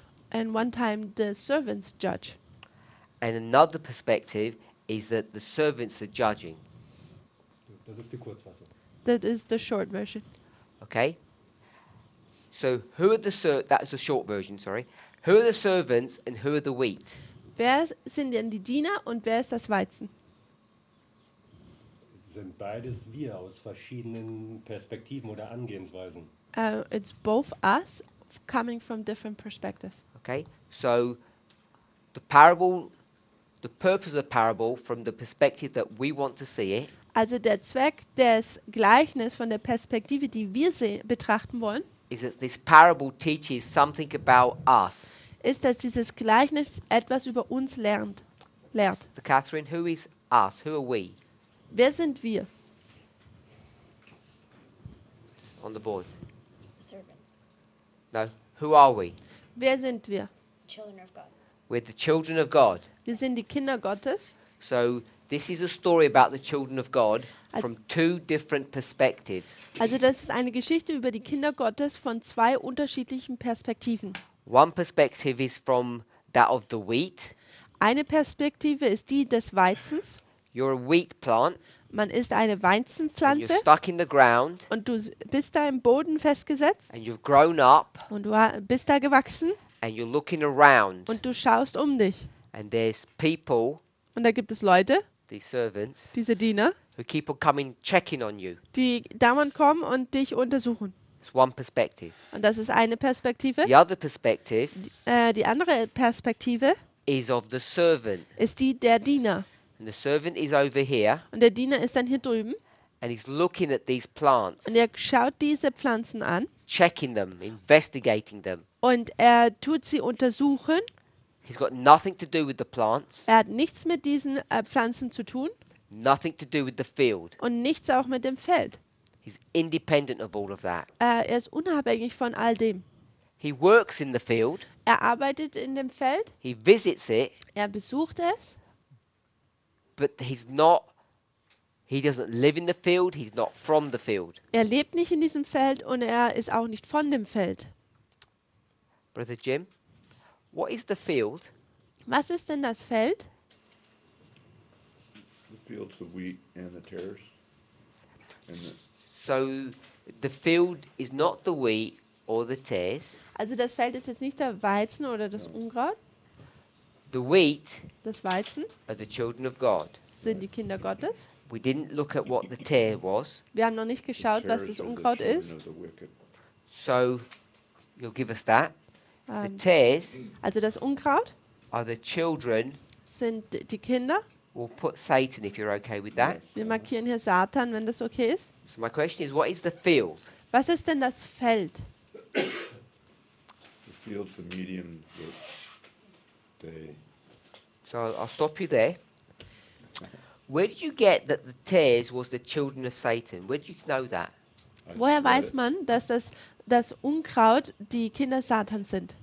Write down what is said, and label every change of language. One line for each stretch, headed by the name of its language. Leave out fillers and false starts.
English: And one time the servants judge. And another perspective is that the servants are judging.
German: Das ist die Kurzfassung.
English: That is the short version. Okay. So who are the that's the short version, sorry. Who are the servants and who are the wheat?
German: Wer sind denn die Diener und wer ist das Weizen? Sind beides wir aus verschiedenen Perspektiven oder Angehensweisen.
English: It's both us coming from different perspectives. Okay, so the parable, the purpose of the parable from the perspective that we want to see it.
German: Also der Zweck des Gleichnisses von der Perspektive, die wir sehen, betrachten wollen.
English: Is that this parable teaches something about us.
German: Ist, dass dieses Gleichnis etwas über uns lehrt.
English: So Catherine, who is us? Who are we?
German: Wer sind wir?
English: On the board. Servants. No, who are we?
German: Wer sind wir?
English: Children of God. We're the children of God.
German: Wir sind die Kinder Gottes.
English: So this is a story about the children of God from two different perspectives.
German: Also das ist eine Geschichte über die Kinder Gottes von zwei unterschiedlichen Perspektiven.
English: One perspective is from that of the wheat.
German: Eine Perspektive ist die des Weizens.
English: You're a wheat plant.
German: Man ist eine Weizenpflanze.
English: You're stuck in the ground.
German: Und du bist da im Boden festgesetzt.
English: And you've grown up.
German: Und du bist da gewachsen.
English: And you're looking around.
German: Und du schaust um dich.
English: And there's people.
German: Und da gibt es Leute.
English: These servants.
German: Diese Diener.
English: Who keep on coming checking on you.
German: Die dauernd kommen und dich untersuchen.
English: It's one perspective.
German: Und das ist eine Perspektive.
English: The other perspective.
German: Die andere Perspektive.
English: Is of the servant.
German: Ist die der Diener.
English: And the servant is over here.
German: Und der Diener ist dann hier drüben.
English: And he's looking at these plants.
German: Und er schaut diese Pflanzen an.
English: Checking them, investigating them.
German: Und er tut sie untersuchen.
English: He's got nothing to do with the plants.
German: Er hat nichts mit diesen Pflanzen zu tun.
English: Nothing to do with the field.
German: Und nichts auch mit dem Feld.
English: He's independent of all of that.
German: Er ist unabhängig von all dem.
English: He works in the field.
German: Er arbeitet in dem Feld.
English: He visits it.
German: Er besucht es.
English: But he's not, he doesn't live in the field, he's not from the field.
German: Er lebt nicht in diesem Feld und er ist auch nicht von dem Feld.
English: Brother Jim, what is the field?
German: Was ist denn das Feld?
English: The fields of wheat and the tares. So the field is not the wheat or the tares.
German: Also das Feld ist jetzt nicht der Weizen oder das Unkraut.
English: The wheat,
German: das Weizen,
English: are the children of God.
German: Sind die Kinder Gottes.
English: We didn't look at what the tear was.
German: Wir haben noch nicht geschaut, was das Unkraut ist.
English: So, you'll give us that. The tares,
German: also das Unkraut,
English: are the children,
German: sind die Kinder,
English: We'll put Satan if you're okay with that.
German: Wir markieren hier Satan, wenn das okay ist.
English: So my question is, what is the field?
German: Was ist denn das Feld?
English: The field's the medium that they. So I'll stop you there. Where did you get that the tares was the children of Satan? Where did you know that?
German: Woher weiß man, dass das Unkraut die Kinder Satans sind?